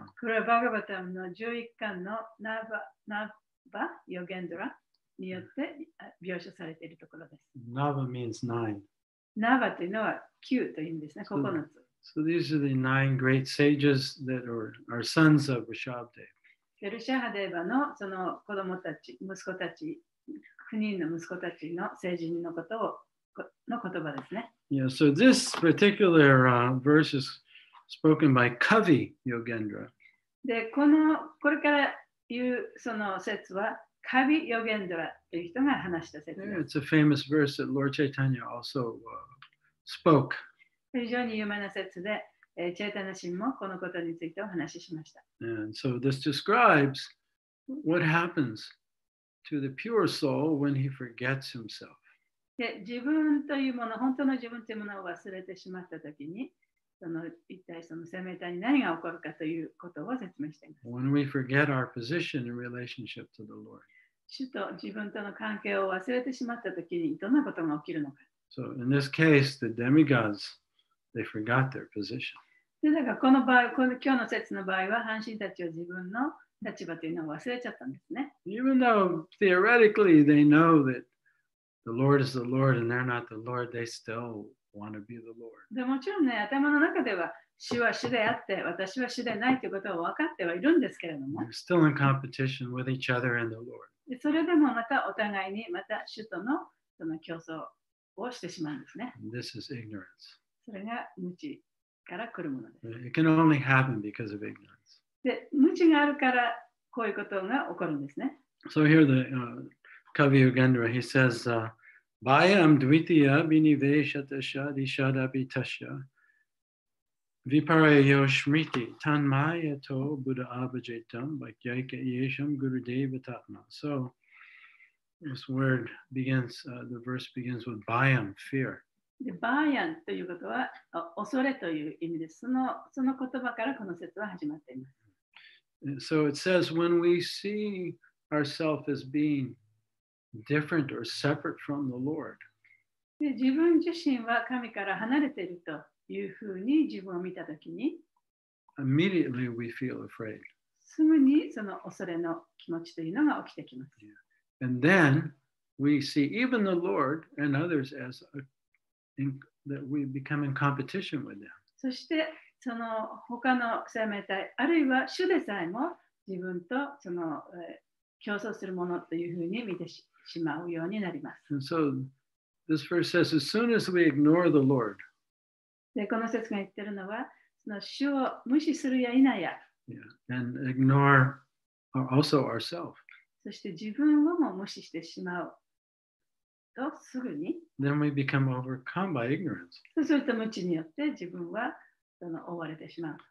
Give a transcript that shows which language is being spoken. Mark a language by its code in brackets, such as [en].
[ja] これはバガバタムの11巻のナバヨゲンドラによって描写されているところです。 [en] Nava means nine. [ja] Nava というのは九というんですね、九つ。 [en] So these are the nine great sages that are sons of Rishabhdev. [ja] ヴルシャハデーバのその子供たち、息子たち、9人の息子たちの聖人のことをの言葉ですね。 [en] Yeah, so this particular verse is spoken by Kavi Yogendra. [ja] で、このこれから言うその説は、Kavi Yogendra という人が話した説です。 [en] Yeah, it's a famous verse that Lord Chaitanya also spoke. [ja] 非常に有名な説で、チェイタナ神もこのことについてお話ししました。 [en] And so this describes what happens to the pure soul when he forgets himself. [ja] で自分というもの、本当の自分というものを忘れてしまったときに、その一体その生命体に何が起こるかということを説明しています。 [en] When we forget our position in relationship to the Lord. [ja] 主と自分との関係を忘れてしまったときに、どんなことが起きるのか。 [en] So in this case, the demigods, they forgot their position. [ja] で、だからこの場合、この今日の説の場合は、半身たちは自分の立場というのを忘れちゃったんですね。 [en] Even though theoretically they know thatThe Lord is the Lord and they're not the Lord, they still want to be the Lord. [ja] でもちろんね、頭の中では主は主であって、私は主でないということを分かってはいるんですけれども。 [en] They're still in competition with each other and the Lord. [ja] でそれでもまたお互いにまた主とのその競争をしてしまうんですね。 [en] This is ignorance. [ja] それが無知から来るものです。 [en] It can only happen because of ignorance. [ja] で無知があるからこういうことが起こるんですね。 [en] So here the Kavi Yogendra, he says, [sa] Bhayam dvitiya vinivesatasya dishadapi tasya viparayo shmriti tanmayato buddha abhijetam vajyaika yesham guru devatatma. [en] So this word begins, the verse begins with bhayam, fear. [ja] Bhayam ということは恐れという意味です。その言葉からこの説は始まっています。 [en] So it says, when we see ourselves as being different or separate from the Lord. [ja] で、自分自身は神から離れているというふうに自分を見たときに、 [en] immediately we feel afraid. [ja] すぐにその恐れの気持ちというのが起きてきます。 [en] Yeah. And then we see even the Lord and others as that we become in competition with them. [ja] そしてその他の生命体、あるいは主でさえも自分とその競争するものというふうに見てし。しまうようになります。 [en] And so this verse says, as soon as we ignore the Lord, [ja] で、この説が言ってるのは、その主を無視するや否や、 [en] yeah. And ignore also ourselves. [ja] そして自分をも無視してしまうと、すぐに、 [en] then we become overcome by ignorance. [ja] そうすると無知によって自分はその覆われてしまう。